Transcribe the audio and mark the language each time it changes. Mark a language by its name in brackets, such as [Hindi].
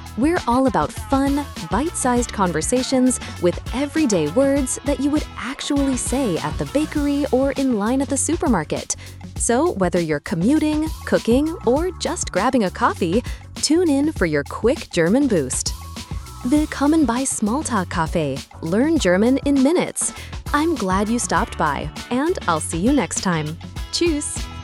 [English] We're all about fun, bite-sized conversations with everyday words that you would actually say at the bakery or in line at the supermarket. So whether you're commuting, cooking, or just grabbing a coffee, tune in for your quick German boost. [German] Willkommen bei Smalltalk Café. [English] Learn German in minutes. I'm glad you stopped by, and I'll see you next time. [German] Tschüss.